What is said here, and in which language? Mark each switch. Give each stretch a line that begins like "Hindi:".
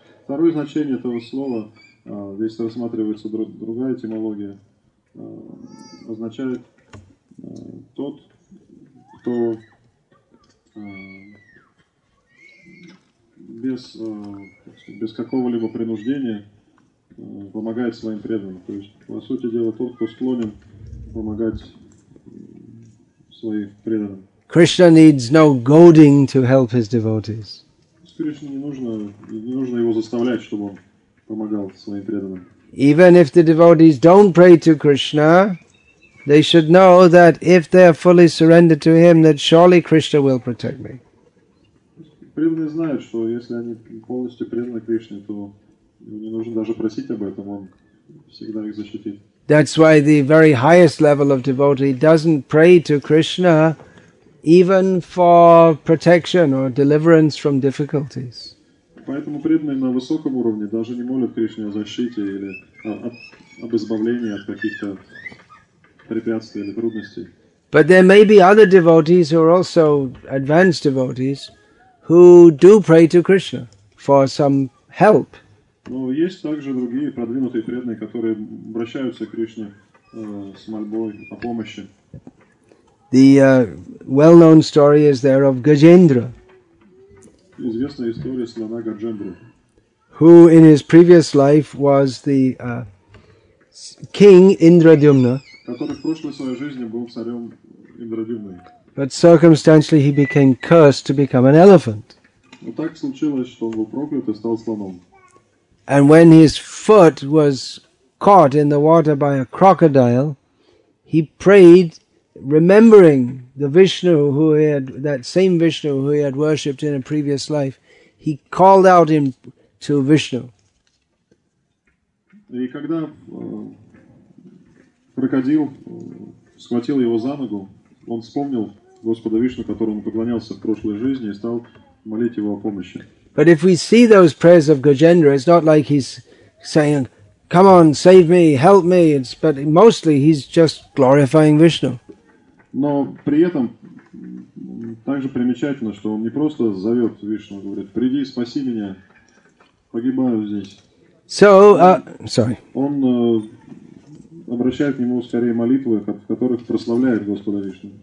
Russian: Второе значение этого слова, здесь рассматривается другая этимология, означает тот, кто без какого-либо принуждения помогает своим преданным. То есть, по сути дела, тот, кто склонен помогать своим преданным.
English: Krishna needs no goading to help his devotees.
Russian: Кришне не нужно его заставлять, чтобы он помогал своим преданным.
English: Even if the devotees don't pray to Krishna, they should know that if they are fully surrendered to him, that surely Krishna will protect me.
Russian: Преданные знают, что если они полностью преданы Кришне, то не нужно даже просить об этом, он всегда их защитит.
English: That's why the very highest level of devotee doesn't pray to Krishna even for protection or deliverance from difficulties.
Russian: Поэтому преданные на высоком уровне даже не молят Кришне о защите или об избавлении от каких-то препятствий или трудностей.
English: But there may be other devotees who are also advanced devotees who do pray to Krishna for some help.
Russian: Но есть также другие продвинутые преданные, которые обращаются к Кришне с мольбой о помощи.
English: The well-known story is there of Gajendra.
Russian: Известная история слона Гаджендры.
English: Who in his previous life was the king Indradyumna.
Russian: Который в прошлой своей жизни был царем Индрадюмной.
English: But circumstantially he became cursed to become an elephant.
Russian: Но так случилось, что он был проклят и стал слоном.
English: And when his foot was caught in the water by a crocodile, he prayed, remembering the Vishnu who he had, that same Vishnu who he had worshipped in a previous life, he called out him to Vishnu.
Russian: И когда крокодил схватил его за ногу, он вспомнил Господа Вишну, которому поклонялся в прошлой жизни, и стал молить его о помощи.
English: But if we see those prayers of Gajendra, it's not like he's saying, come on, save me, help me. But mostly he's just glorifying Vishnu.
Russian: Но при этом также примечательно, что он не просто зовет Вишну, говорит, приди, спаси меня, погибаю здесь.
English: So, sorry.
Russian: Он обращает к нему скорее молитвы, в которых прославляет Господа Вишну.